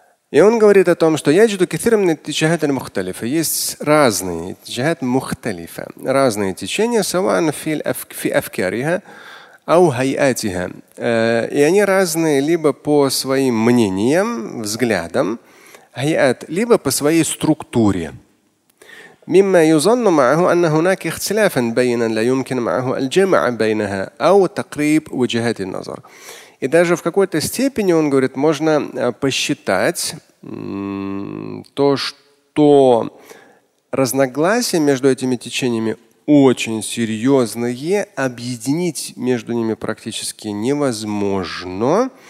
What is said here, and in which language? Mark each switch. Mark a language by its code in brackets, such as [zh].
[ru] И он говорит о том, что [ar] яджиду кетирамин итиджахат аль-мухталифа. [ru] Есть разные [ar] итиджахат мухталифа. [ru] Разные течения. [ar] Саван фи афкариха ау хайатиха. [ru] И они разные либо по своим мнениям, взглядам, либо по своей структуре. [ar] مما يظن معه أن هناك اختلافا بينا لا يمكن معه الجمع بينها أو تقريب وجهات النظر. [ru] И даже в какой-то степени, он говорит, можно посчитать то, что разногласия между этими течениями очень серьезные, объединить между ними практически невозможно.